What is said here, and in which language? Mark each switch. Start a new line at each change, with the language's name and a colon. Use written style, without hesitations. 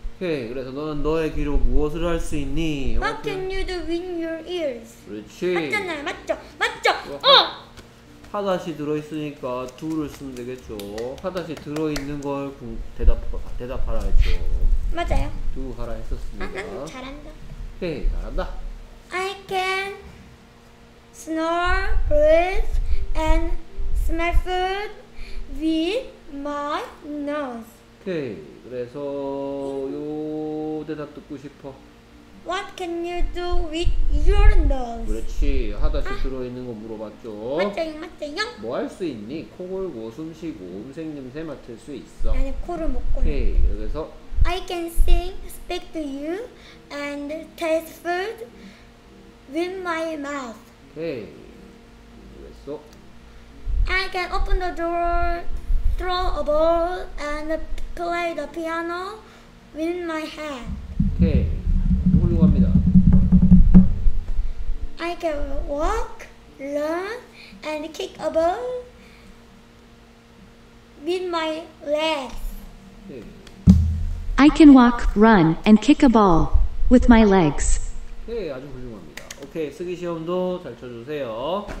Korean: 오케이, 그래서 너는 너의 귀로 무엇을 할 수 있니?
English: What can you do with your ears?
Korean: 그렇지. 맞잖아요, 맞죠? 맞죠? 어! 하다시 들어있으니까 do를 쓰면 되겠죠. 하다시 들어있는 걸 대답하라 했죠. 맞아요. do 하라 했었습니다. 아, 나는 잘한다. 오케이, 잘한다.
English: I can snore, breathe, and smell food with my nose.
Korean: 오케이. 그래서 요 대답 듣고 싶어.
English: What can you do with your nose?
Korean: 그렇지. 하다시 들어있는 거 물어봤죠. 맞아요, 맞아요. 뭐 할 수 있니? 코 골고 숨 쉬고 음색 냄새 맡을 수 있어. 아니, 코를 못 골고. 오케이. 여기서
English: I can sing, speak to you, and taste food with my mouth.
Korean: 오케이. 그랬어.
English: I can open the door, throw a ball, and play the piano with my hand.
Korean: 오케이. 훌륭합니다.
English: I can walk, run, and kick a ball with my legs.
Korean: 오케이.
English: I can walk, run, and kick a ball with my legs.
Korean: 오케이. 아주 훌륭합니다. 오케이. 쓰기 시험도 잘 쳐주세요.